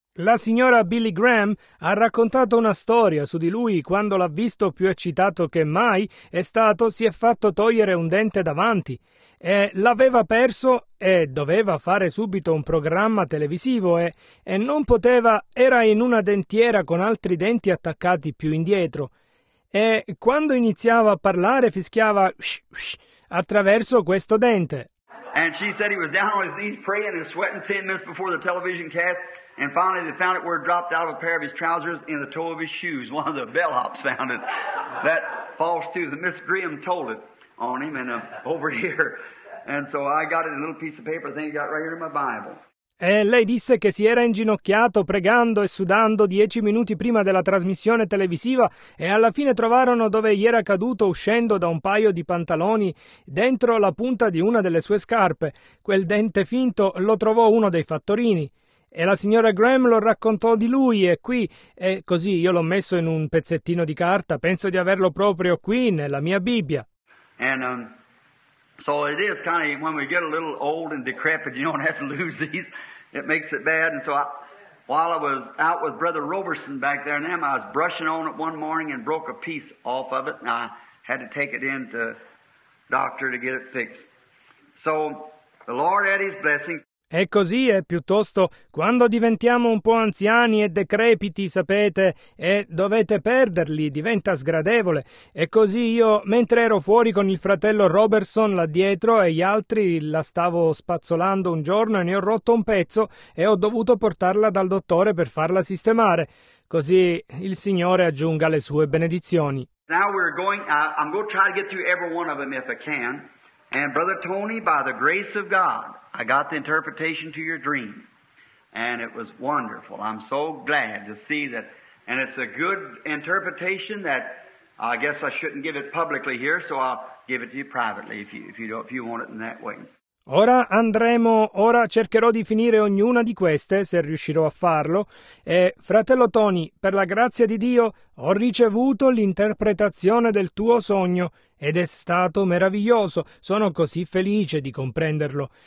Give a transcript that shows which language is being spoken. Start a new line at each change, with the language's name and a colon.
Italian: La signora Billy Graham ha raccontato una storia su di lui quando l'ha visto più eccitato che mai è stato, si è fatto togliere un dente davanti. E l'aveva perso e doveva fare subito un programma televisivo e non poteva, era in una dentiera con altri denti attaccati più indietro. E quando iniziava a parlare fischiava shh, shh, attraverso questo dente.
English: And she said he was down on his knees praying and sweating 10 minutes before the television cast. And finally they found it where it dropped out of a pair of his trousers in the toe of his shoes. One of the bellhops found it. That false tooth. And Miss Graham told it on him and over here. And so I got it in a little piece of paper. I think it got right here in my Bible.
Italian: E lei disse che si era inginocchiato pregando e sudando 10 minuti prima della trasmissione televisiva e alla fine trovarono dove gli era caduto uscendo da un paio di pantaloni dentro la punta di una delle sue scarpe. Quel dente finto lo trovò uno dei fattorini. E la signora Graham lo raccontò di lui e qui, e così io l'ho messo in un pezzettino di carta, penso di averlo proprio qui nella mia Bibbia.
English: And, so it is kind of when we get a little old and decrepit, you don't have to lose these. It makes it bad. And so I, while I was out with Brother Roberson back there and him, I was brushing on it one morning and broke a piece off of it. And I had to take it in to doctor to get it fixed. So the Lord had his blessing.
Italian: E così è piuttosto quando diventiamo un po' anziani e decrepiti, sapete, e dovete perderli, diventa sgradevole. E così io, mentre ero fuori con il fratello Robertson là dietro e gli altri, la stavo spazzolando un giorno e ne ho rotto un pezzo e ho dovuto portarla dal dottore per farla sistemare. Così il Signore aggiunga le sue benedizioni.
English: Now we're going, I'm going to try to get through every one of them if I can. And Brother Tony, by the grace of God, I got the interpretation to your dream, and it was wonderful. I'm so glad to see that, and it's a good interpretation that I guess I shouldn't give it publicly here, so I'll give it to you privately if you want it in that way.
Italian: Ora cercherò di finire ognuna di queste, se riuscirò a farlo, e fratello Tony, per la grazia di Dio, ho ricevuto l'interpretazione del tuo sogno, ed è stato meraviglioso, sono così felice di comprenderlo.